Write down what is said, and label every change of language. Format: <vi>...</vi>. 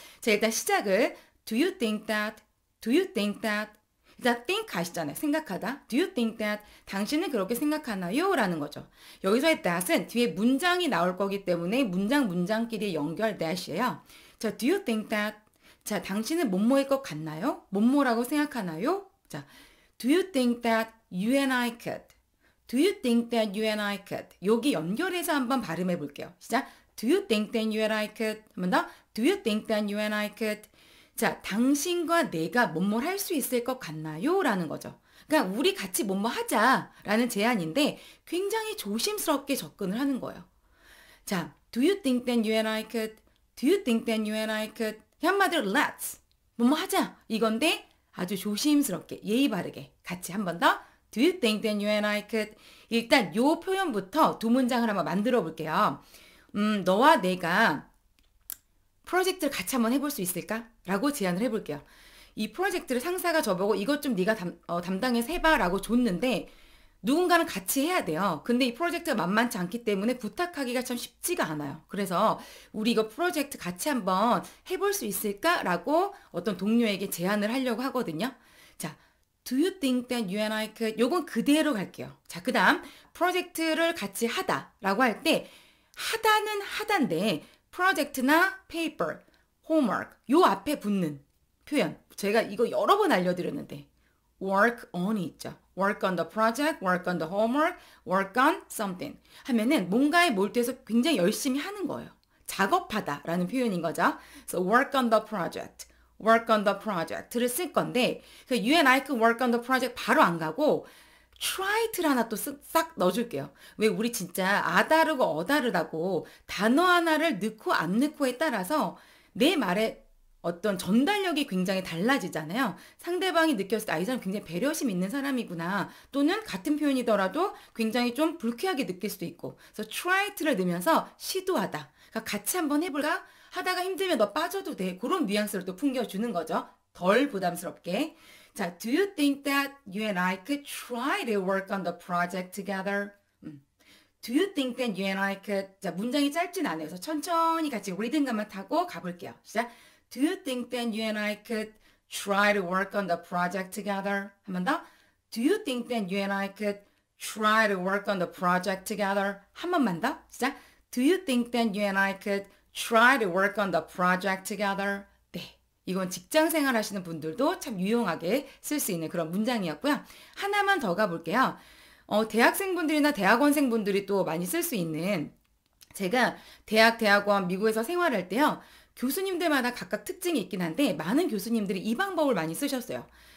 <ko>자, 일단 시작을</ko> <en>Do you think that? Do you think that?</en> <ko>일단 think 하시잖아요. 생각하다.</ko> <en>Do you think that?</en> <ko>당신은 그렇게 생각하나요? 라는 거죠. 여기서의 that은 뒤에 문장이 나올 거기 때문에 문장끼리 연결 that이에요.</ko> <en>자, do you think that?</en> <ko>자, 당신은 뭐뭐일 것 같나요? 뭐뭐라고 생각하나요?</ko> <en>자, do you think that you and I could? Do you think that you and I could?</en> <ko>여기 연결해서 한번 발음해 볼게요. 시작.</ko> <en>Do you think that you and I could?</en> <ko>한번 더.</ko> <en>Do you think that you and I could?</en> <ko>자, 당신과 내가 뭐뭐 할수 있을 것 같나요? 라는 거죠. 그러니까 우리 같이 뭐뭐 하자라는 제안인데 굉장히 조심스럽게 접근을 하는 거예요.</ko> <en>자, do you think that you and I could? Do you think that you and I could?</en> <ko>한마디로 let's 뭐뭐 하자 이건데 아주 조심스럽게 예의 바르게 같이 한번 더.</ko> <en>Do you think that you and I could?</en> <ko>일단 요 표현부터 두 문장을 한번 만들어 볼게요. 너와 내가 프로젝트를 같이 한번 해볼 수 있을까? 라고 제안을 해볼게요. 이 프로젝트를 상사가 저보고 이것 좀 네가 담당해서 해봐 라고 줬는데 누군가는 같이 해야 돼요. 근데 이 프로젝트가 만만치 않기 때문에 부탁하기가 참 쉽지가 않아요. 그래서 우리 이거 프로젝트 같이 한번 해볼 수 있을까? 라고 어떤 동료에게 제안을 하려고 하거든요. 자, Do you think that you and I could? 요건 그대로 갈게요. 자, 그 다음 프로젝트를 같이 하다 라고 할때 하다는 하단데 프로젝트나 페이퍼, 홈워크, 요 앞에 붙는 표현. 제가 이거 여러 번 알려드렸는데. work on이 있죠.</ko> <en>work on the project, work on the homework, work on something.</en> <ko>하면은 뭔가에 몰두해서 굉장히 열심히 하는 거예요. 작업하다라는 표현인 거죠.</ko> <en>So work on the project, work on the project</en> <ko>를 쓸 건데, 그</ko> <en>you and I could work on the project</en> <ko>바로 안 가고, try를 하나 또싹 넣어줄게요. 왜 우리 진짜 아다르고 어다르다고 단어 하나를 넣고 안 넣고에 따라서 내 말에 어떤 전달력이 굉장히 달라지잖아요. 상대방이 느꼈을 때, 아, 이 사람 굉장히 배려심 있는 사람이구나. 또는 같은 표현이더라도 굉장히 좀 불쾌하게 느낄 수도 있고. 그래서 try를 넣으면서 시도하다. 그러니까 같이 한번 해볼까? 하다가 힘들면 너 빠져도 돼. 그런 뉘앙스를 또 풍겨주는 거죠. 덜 부담스럽게.</ko> <en>자, do you think that you and I could try to work on the project together? Do you think that you and I could?</en> <ko>자, 문장이 짧진 않아요. 그래서 천천히 같이 리듬감을 타고 가볼게요. 시작.</ko> <en>Do you think that you and I could try to work on the project together?</en> <ko>한 번 더.</ko> <en>Do you think that you and I could try to work on the project together?</en> <ko>한 번만 더. 시작.</ko> <en>Do you think that you and I could try to work on the project together?</en> <ko>네. 이건 직장 생활 하시는 분들도 참 유용하게 쓸 수 있는 그런 문장이었고요. 하나만 더 가볼게요. 대학생분들이나 대학원생분들이 또 많이 쓸 수 있는 제가 대학, 대학원, 미국에서 생활할 때요. 교수님들마다 각각 특징이 있긴 한데 많은 교수님들이 이 방법을 많이 쓰셨어요.</ko>